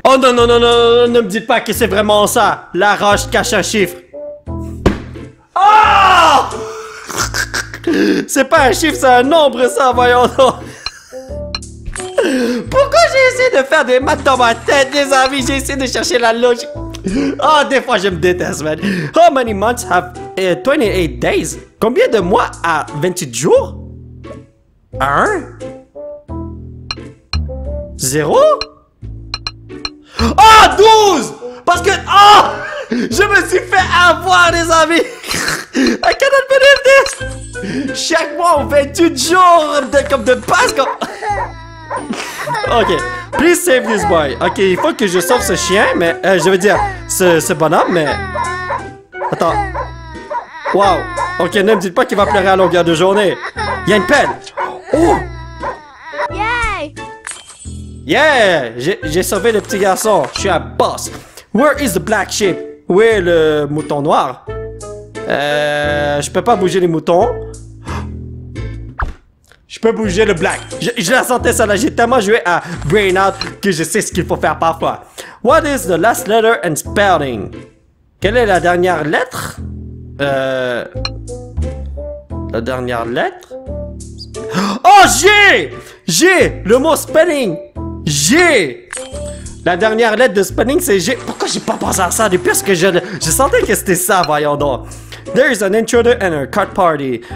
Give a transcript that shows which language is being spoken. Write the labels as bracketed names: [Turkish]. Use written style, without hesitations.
[French] Oh non, non, non, non, non, non, ne me dites pas que c'est vraiment ça. La roche cache un chiffre. Oh! C'est pas un chiffre, c'est un nombre, ça, voyons donc. Pourquoi j'ai essayé de faire des maths dans ma tête, les amis? J'ai essayé de chercher la logique. Oh, des fois, je me déteste, man. [English] How many months have 28 days? [French] Combien de mois a 28 jours? 1? 0? Oh, 12! Parce que... Oh! Je me suis fait avoir, les amis! [English] I cannot believe this! [French] Chaque mois, 28 jours, comme de base, comme... [English] Ok, please save this boy. [French] Ok, il faut que je sauve ce chien, mais je veux dire, ce bonhomme, mais... Attends. Wow, ok, ne me dites pas qu'il va pleurer à longueur de journée. Il y a une pelle. Oh. Yeah, j'ai sauvé le petit garçon. Je suis un boss. [English] Where is the black sheep? [French] Où est le mouton noir? Je peux pas bouger les moutons. Je peux bouger le black. Je la sentais ça là. J'ai tellement joué à Brain Out que je sais ce qu'il faut faire parfois. [English] What is the last letter and spelling? [French] Quelle est la dernière lettre? La dernière lettre? Oh, G! G! Le mot spelling. G! La dernière lettre de spelling, c'est G. Pourquoi j'ai pas pensé à ça depuis que je sentais que c'était ça, voyons donc. [English] There is an intruder and a cat party.